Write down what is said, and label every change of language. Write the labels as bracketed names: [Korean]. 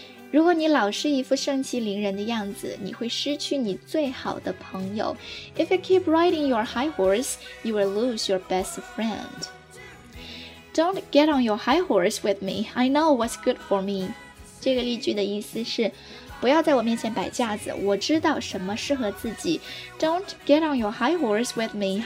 [Chinese] 如果你老是一副盛气凌人的样子，你会失去你最好的朋友。 [English] If you keep riding your high horse, you will lose your best friend. Don't get on your high horse with me. I know what's good for me. [Chinese] 这个例句的意思是，不要在我面前摆架子，我知道什么适合自己。 [English] Don't get on your high horse with me.